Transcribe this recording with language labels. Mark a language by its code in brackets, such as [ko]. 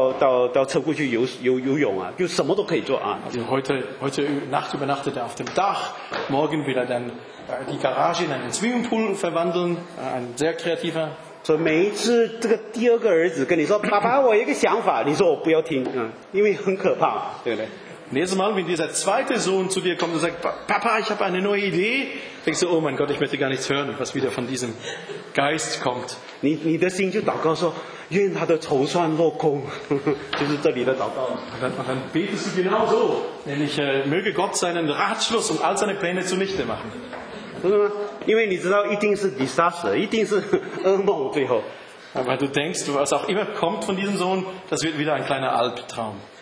[zh] 今天到屋顶上去睡觉，明天到车库去游泳啊，就什么都可以做啊。 [de] Heute Nacht übernachtet er auf dem Dach, morgen will er dann die Garage in einen Swimmingpool verwandeln, ein sehr kreativer. [zh] 所以每一次这个第二个儿子跟你说，爸爸，我有一个想法，你说我不要听，因为很可怕，对不对？ [de] Nächstes Mal, wenn dieser zweite Sohn zu dir kommt und sagt, Papa, ich habe eine neue Idee, denkst du, oh mein Gott, ich möchte gar nichts hören, was wieder von diesem Geist kommt. [zh] 你的心就祷告说，愿他的筹算落空，就是这里的祷告。 [de] Und dann betest du genau so, nämlich möge Gott seinen Ratschluss und all seine Pläne zunichte machen. [zh] 因为你知道一定是disaster，一定是噩梦最后。 [de] Aber du denkst, was auch immer kommt von diesem Sohn, das wird wieder ein kleiner Albtraum.